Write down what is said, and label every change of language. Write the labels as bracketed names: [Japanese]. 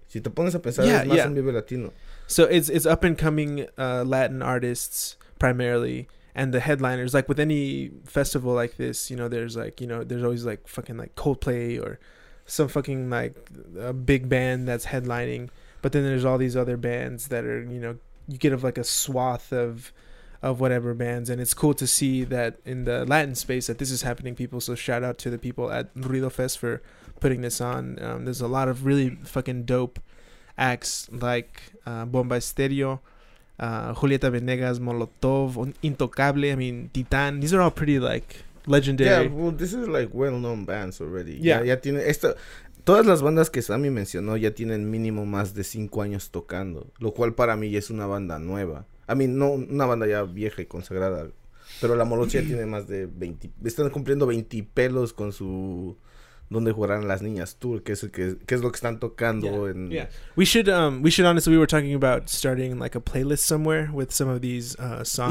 [Spanish] Si te pones a pensar, yeah, es más un Vive Latino. [English] So it's up and coming Latin artists primarily, and the headliners, like with any festival like this, you know, there's like, you know, there's always like fucking like Coldplay or some fucking like a big band that's headlining, but then there's all these other bands that are, you know, you get of like a swath of whatever bands, and it's cool to see that in the Latin space that this is happening, people. So shout out to the people at Ruido Fest for putting this on. There's a lot of really fucking dope acts like Bomba Estéreo, Julieta Venegas, Molotov, Intocable, I mean, Titan. These are all pretty, like, legendary. Yeah, well, this is, like, well-known bands already. Yeah. [Spanish] Ya tiene esto, todas las bandas que Sammy mencionó ya tienen mínimo más de 5 años tocando, lo cual para mí ya es una banda nueva. [English] I mean, [Spanish] no una banda ya vieja y consagrada, pero la Molotov ya tiene más de 20, están cumpliendo 20 pelos con su... Donde jugarán las niñas tour, que es lo que están tocando. [English] Yeah. [Spanish] En... [English] yeah. We should honestly, we were talking about starting like a playlist somewhere with some of these songs.